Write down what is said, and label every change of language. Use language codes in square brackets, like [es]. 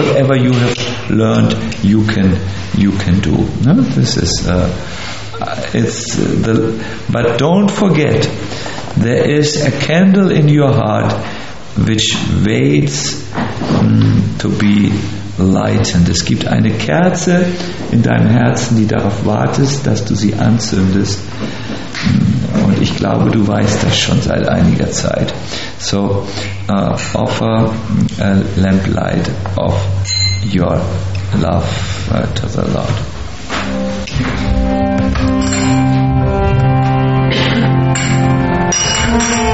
[en] Whatever you have learned, you can do. No? This is but don't forget, there is a candle in your heart which waits to be lightened. [de] Es gibt eine Kerze in deinem Herzen, die darauf wartest, dass du sie anzündest. Und ich glaube, du weißt das schon seit einiger Zeit. [en] So, offer a lamp light of your love to the Lord. Okay.